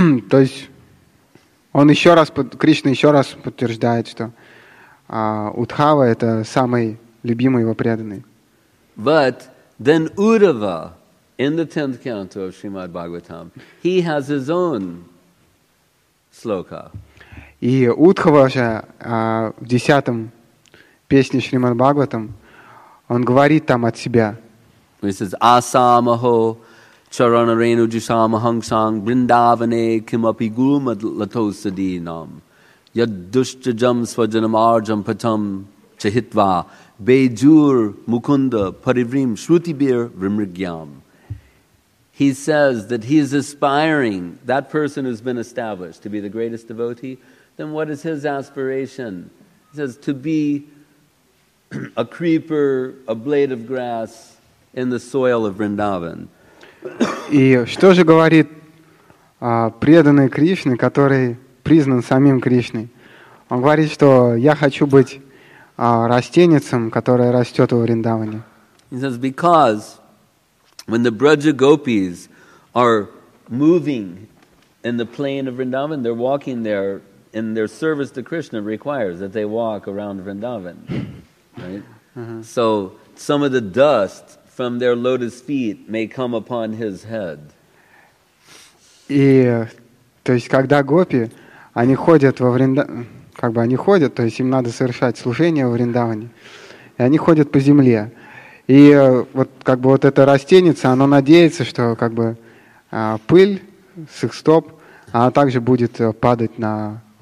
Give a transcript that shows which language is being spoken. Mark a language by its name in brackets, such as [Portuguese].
[Russian] То есть, он еще раз, Кришна еще раз подтверждает, что Удхава это самый любимый его преданный. [English] But then Uddhava, in the 10th canto of Srimad Bhagavatam, he has his own sloka. [Russian] И Удхава же в 10-м песне Шримад Бхагаватам он говорит там от себя. [English] He says, [Sanskrit] Asamaho charana renu jisama hangsang brindavane kimapi gulmad latosadi nam yad dushcha jam svajanam arjam patam chahitva bejur mukunda parivrim shrutibir vrimrigyam. [English] He says that he is aspiring, that person who's been established to be the greatest devotee, then what is his aspiration? He says, to be a creeper, a blade of grass in the soil of Vrindavan. [Russian] И что же говорит преданный Кришне, который признан самим Кришной? Он говорит, что я хочу быть растеницем, которая растет во Вриндаване. [English] He says, because when the Braja Gopis are moving in the plain of Vrindavan, they're walking there, and their service to Krishna requires that they walk around Vrindavan, right? Uh-huh. So some of the dust from their lotus feet may come upon his head. [Russian] И то есть когда гопи, они ходят во Вриндаване, как бы они ходят, то есть им надо совершать служение во Вриндаване, и они ходят по земле. И вот как бы вот эта растенница, она надеется, что как бы пыль с их стоп, она также будет падать на